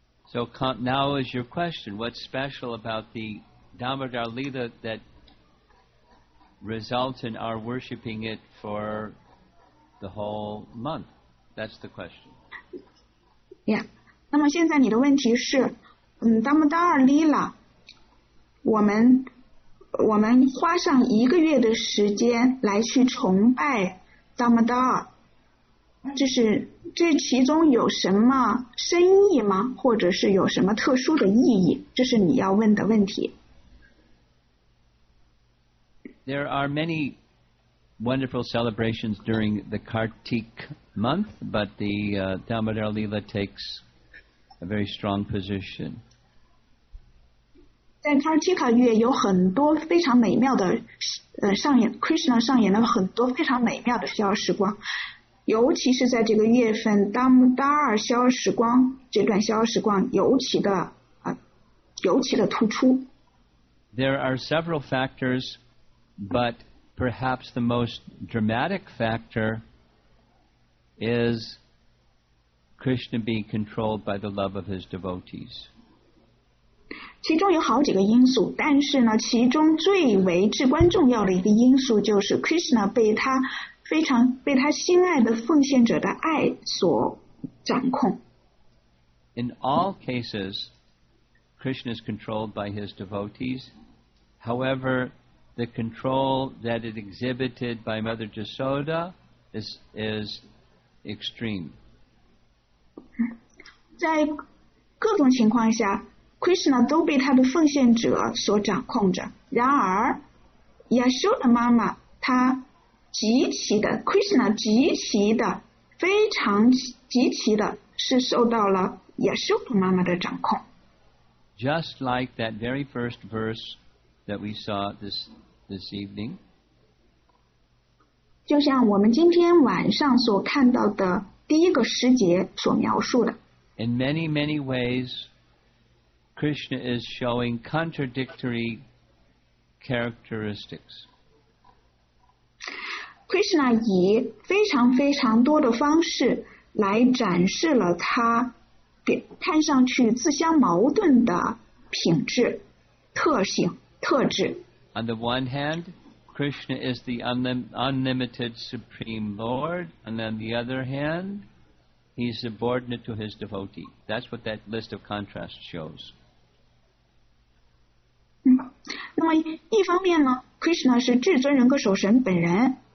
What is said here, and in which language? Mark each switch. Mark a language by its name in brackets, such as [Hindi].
[English] So now is your question, what's special about the Damodar Lila that result in our worshipping it for the whole month? That's the question. Yeah. [Chinese] 那么现在你的问题是，达摩达尔利拉，我们花上一个月的时间来去崇拜达摩达尔，这其中有什么深意吗？或者是有什么特殊的意义？这是你要问的问题。 [English] There are many wonderful celebrations during the Kartik month, but the Damodara Lila takes a very strong position. [Chinese] 在 Kartika 月有很多非常美妙的上演 ，Krishna 上演了很多非常美妙的逍遥时光。尤其是在这个月份，达尔逍遥时光这段逍遥时光尤其的突出。 [English] There are several factors, but perhaps the most dramatic factor is Krishna being controlled by the love of his devotees. [Chinese] 其中有好几个因素，但是呢，其中最为至关重要的一个因素就是 Krishna 被他心爱的奉献者的爱所掌控。 [English] In all cases, Krishna is controlled by his devotees. However, the control that is exhibited by Mother Jasoda is extreme. [Chinese] 在各种情况下 ，Krishna 都被他的奉献者所掌控着。然而 ，Yashoda 妈妈她。极其的 Krishna 极其的非常极其的是受到了 Yashoda 妈妈的掌控 [English] Just like that very first verse that we saw this evening [Chinese] 就像我们今天晚上所看到的第一个诗节所描述的 [English] In many many ways Krishna is showing contradictory characteristics [Chinese] Krishna 以非常非常多的方式来展示了他看上去自相矛盾的品质、特性、特质。 [English] On the one hand, Krishna is the unlimited supreme lord, and on the other hand, he is subordinate to his devotee. That's what that list of contrasts shows. [Chinese] 那么一方面呢 ，Krishna 是至尊人格守神本人。